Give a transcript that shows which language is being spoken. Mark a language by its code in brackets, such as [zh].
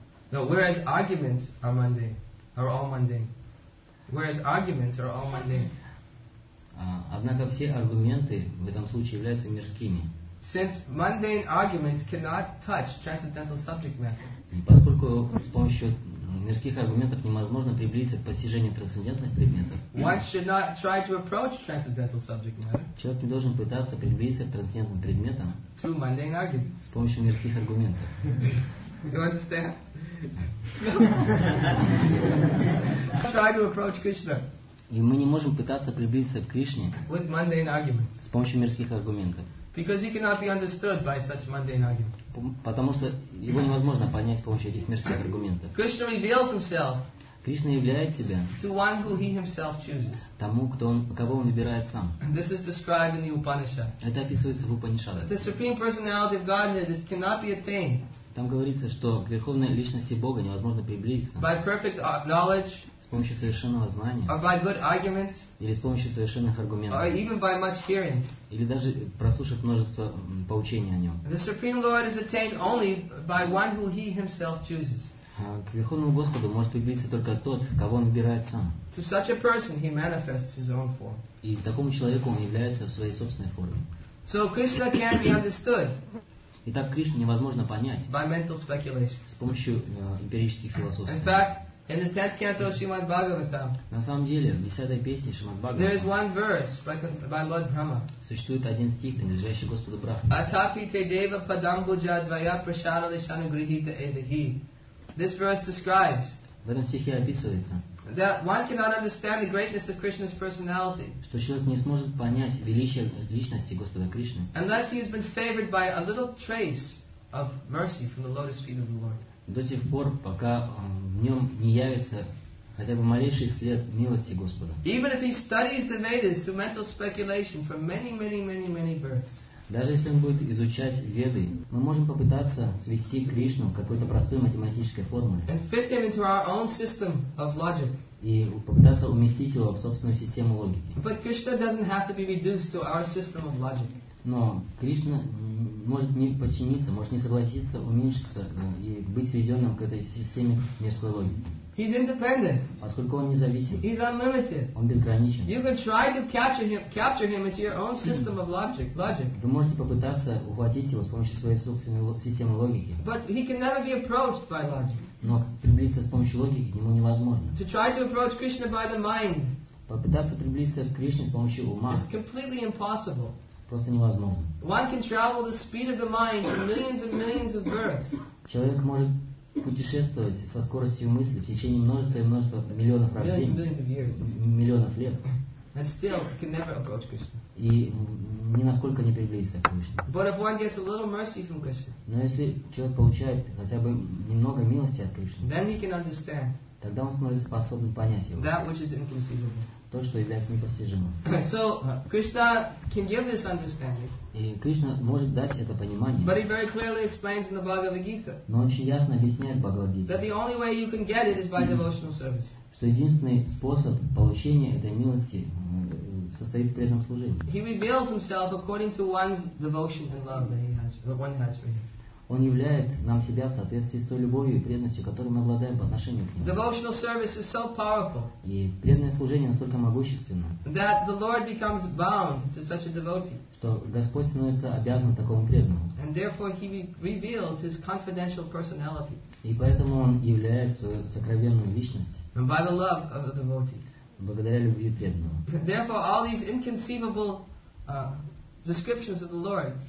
[en] Whereas arguments are mundane, are all mundane. Whereas arguments are all mundane. [ru] Однако все аргументы в этом случае являются мирскими. [en] Since mundane arguments cannot touch transcendental subject matter. [ru] И поскольку с помощью мирских аргументов невозможно приблизиться к постижению трансцендентных предметов. [en] One should not try to approach transcendental subject matter. [ru] Человек не должен пытаться приблизиться к трансцендентным предметам. [en] Through mundane arguments. [ru] С помощью мирских аргументов. [en] You understand? Try to approach Krishna. [ru] И мы не можем пытаться приблизиться к Кришне [en] with mundane arguments. [ru] С помощью мирских аргументов. [en] Because he cannot be understood by such mundane arguments. [ru] Потому что его невозможно понять с помощью этих мирских аргументов. [en] Krishna reveals himself. [ru] Кришна являет себя. [en] To one who he himself chooses. [ru] Тому, кого он выбирает сам. [en] This is described in the Upanishad. [ru] Это описывается в Упанишадах. [en] The supreme personality of Godhead cannot be attained. [ru] Там говорится, что к верховной личности Бога невозможно приблизиться. [en] By perfect knowledge. [ru] С помощью совершенного знания. [en] Or by good arguments, [ru] или с помощью совершенных аргументов. [en] Or even by much hearing. [ru] Или даже прослушав множество поучений о нем. [en] The Supreme Lord is attained only by one who he himself chooses. [ru] К Верховному Господу может приблизиться только тот, кого он выбирает сам. [en] To such a person he manifests his own form. [ru] И такому человеку он является в своей собственной форме. [en] So Krishna can't be understood. [ru] Итак, Кришну невозможно понять. [en] By mental speculation. [ru] С помощью эмпирических философств. [en] In fact, in the 10th canto of Srimad Bhagavatam. [ru] На самом деле, в 10-й песне Шримад Бхагаватам. [en] There is one verse by Lord Brahma. [ru] Существует один стих, принадлежащий Господу Брахме. [sa] Атапи те дева падамбуджа двая прашана лишана грихита эдхи. [en] This verse describes. [ru] В этом стихе описывается. [en] That one cannot understand the greatness of Krishna's personality. [ru] Что человек не сможет понять величие личности Господа Кришны. [en] Unless he has been favored by a little trace of mercy from the lotus feet of the Lord. [ru] До тех пор, пока в нем не явится хотя бы малейший след милости Господа. [en] Even if he studies the Vedas through mental speculation for many, many, many, many births. [ru] Даже если он будет изучать Веды, мы можем попытаться свести Кришну к какой-то простой математической формуле. [en] And fit him into our own system of logic. [ru] и попытаться уместить его в собственную систему логики. [en] But Krishna doesn't have to be reduced to our system of logic. [ru] Но Кришна может не подчиниться, может не согласиться уменьшиться и быть сведенным к этой системе мирской логики. [en] He's independent. [ru] Поскольку он независим. [en] He's unlimited. [ru] Он безграничен. [en] You can try to capture him into your own system of logic. [ru] Вы можете попытаться ухватить его с помощью своей собственной системы логики. [en] But he can never be approached by logic. [ru] Но приблизиться с помощью логики к нему невозможно. [en] To try to approach Krishna by the mind. [ru] Попытаться приблизиться к Кришне с помощью ума. [en] It's completely impossible. [ru] Просто невозможно. [en] One can travel the speed of the mind for millions and millions of births. [ru] Человек может путешествовать со скоростью мысли в течение множества и множества миллионов рождений, миллионов лет, [en] and still can never approach Krishna. [ru] И ни насколько не приблизиться к Кришне. [en] But if one gets a little mercy from Krishna, [ru] но если человек получает хотя бы немного милости от Кришны, [en] then he can understand, [ru] тогда он становится способен понять его. [en] That which is inconceivable. [ru] То, что является непостижимым. [en] So, Krishna can give this understanding. [ru] И Кришна может дать это понимание. [en] But he very clearly explains in the Bhagavad Gita. [ru] Но он очень ясно объясняет в Бхагавад Гите. [en] That the only way you can get it is by devotional service. [ru] Что единственный способ получения этой милости состоит в преданном служении. [en] He reveals himself according to one's devotion and love that he has, that one has for him. [ru] Он являет нам себя в соответствии с той любовью и преданностью, которую мы обладаем по отношению к Нему. [en] Devotional service is so powerful, [ru] и преданное служение настолько могущественно, [en] that the Lord becomes bound to such a devotee, [ru] что Господь становится обязан такому преданному. [en] And therefore he reveals his confidential personality. [ru] И поэтому Он являет свою сокровенную личность. [en] And by the love of the devotee. [ru] Благодаря любви преданного. [en] Therefore all these inconceivable descriptions of the Lord,